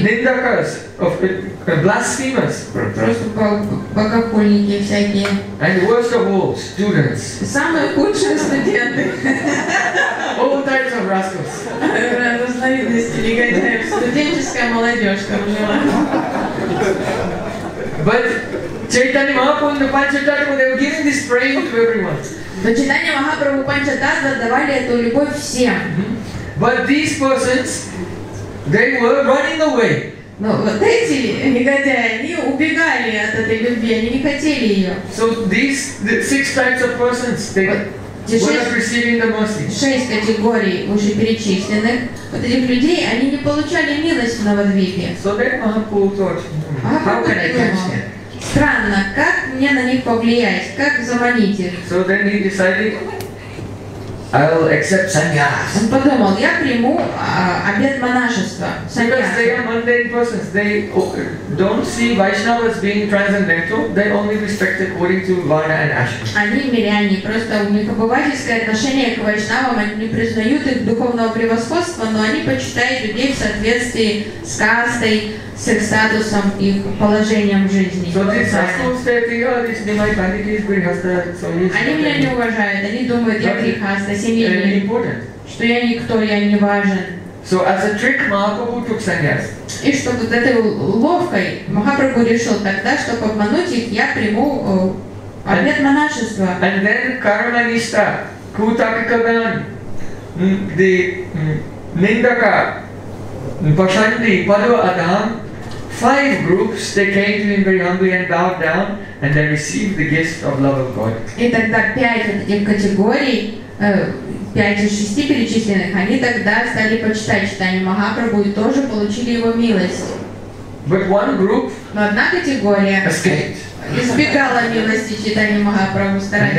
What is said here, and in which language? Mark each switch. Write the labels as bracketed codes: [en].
[en] Nindakas, blasphemers. [ru] Просто богохульники всякие. [en] And worst of all, students. [ru] Самые худшие студенты. [en] All types of rascals. [ru] Разновидности негодяев. Студенческая молодежь там жила. [en] But Chaitanya Mahaprabhu and the Panchatattva, they were giving this praying to everyone. [ru] Но Chaitanya Mahaprabhu и Panchatattva давали эту любовь всем. [en] But these persons, they were running away. [ru] Но вот эти негодяи, они убегали от этой любви, они не хотели ее. [en] So these six types of persons, they were not receiving the mercy. [ru] Шесть категорий уже перечисленных. Вот этих людей, они не получали милость в Навадвипе. [en] So then Mahaprabhu thought, how can I catch them? [ru] Странно, как мне на них повлиять, как заманить их? [en] So then he decided, I will accept sannyas. [ru] Он подумал, я приму обет монашества. [en] Because they are mundane persons, they don't see Vaishnava as being transcendental. They only respect according to Varna and Ashram. [ru] Они миряне, просто у них обывательское отношение к Вайшнавам, они не признают их духовного превосходства, но они почитают людей в соответствии с кастой, с их статусом и положением в жизни. [en] So these rascals, they think, oh, this is my bandit, is grihastha, so [ru] они меня не уважают, они думают, я грихастха. Что я никто, я не важен. [en] So as a trick, Mahaprabhu took sannyas. [ru] И что вот этой ловкой Махапрабху решил тогда, чтобы обмануть их, я приму обет монашества. [en] And then karma nista, kutakikagan, the nindaka, pashandi, padva adham, five groups, they came to him very humbly and bowed down, and they received the gift of love of God. [ru] И тогда пять этих категорий, пять из шести перечисленных, они тогда стали почитать читание Махапрабху и тоже получили его милость. [en] But one group, [ru] но одна категория [en] escaped. [ru] Избегала милости читания Махапрабху, старались.